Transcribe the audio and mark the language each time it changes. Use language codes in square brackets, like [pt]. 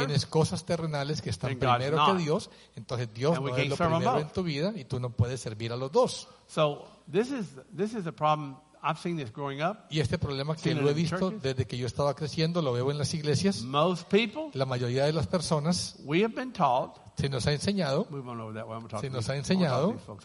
[es] tienes cosas terrenales que están primero que Dios, entonces Dios [en] and [es] no es lo primero en tu vida y tú no puedes servir a los dos. [en] So this is a problem I've seen this growing up. [es] Y este problema que lo he visto desde que yo estaba creciendo, lo veo en las iglesias. [en] Most people, [es] la mayoría de las personas, [en] we have been taught, [es] se nos ha enseñado, se nos ha enseñado.